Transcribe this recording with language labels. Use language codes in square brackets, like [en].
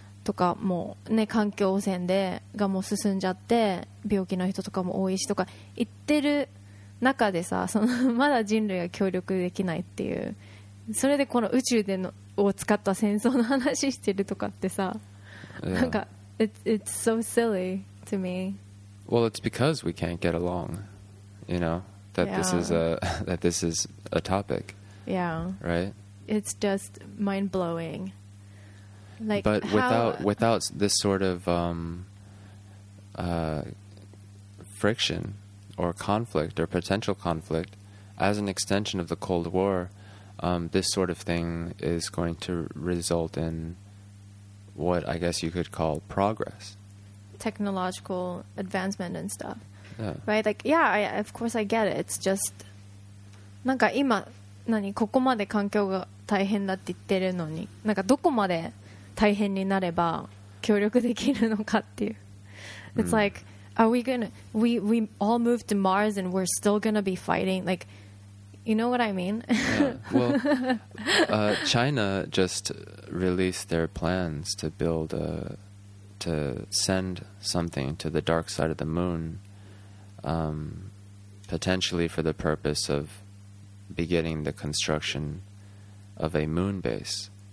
[ja] とかもうね、環境汚染でがもう進んじゃって病気の人とかも多いしとか言ってる中でさ、そのまだ人類が協力できないっていう、それでこの宇宙でのを使った戦争の話してるとかってさ、 [en] yeah. なんか it's so silly to me. Well, it's because we can't get along, you know, that、yeah. this is a topic. Yeah. Right. It's just mind blowing. Like, but without this sort of friction or conflict or potential conflict, as an extension of the Cold War. This sort of thing is going to result in what I guess you could call progress. Technological advancement and stuff. Yeah. Right? Like, yeah, of course I get it. It's just, [ja] なんか今、何、ここまで環境が大変だって言ってるのに、なんかどこまで大変になれば協力できるのかっていう。 [en] It's like, are we gonna, we all move to Mars and we're still gonna be fighting, like,You know what I mean? Yeah. Well, China just released their plans to build to send something to the dark side of the moon, potentially for the purpose of beginning the construction of a moon base.